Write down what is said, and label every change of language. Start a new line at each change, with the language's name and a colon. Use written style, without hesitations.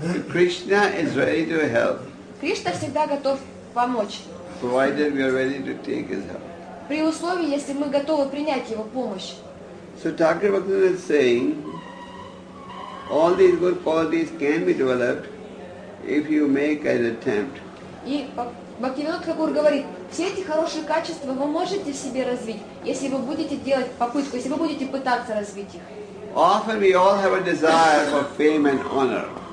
English: Krishna is ready to help.
Russian: Кришна всегда готов помочь.
English: Provided we are ready to take his help.
Russian: При условии, если мы готовы принять его помощь.
English: So Thakur Bhaktivinoda is saying, all these good qualities can be developed if you make an attempt.
Russian: И Бхактивинода Тхакур говорит, все эти хорошие качества вы можете в себе развить, если вы будете делать попытку, если вы будете пытаться развить их.
English: Often we all have a desire for fame and honor.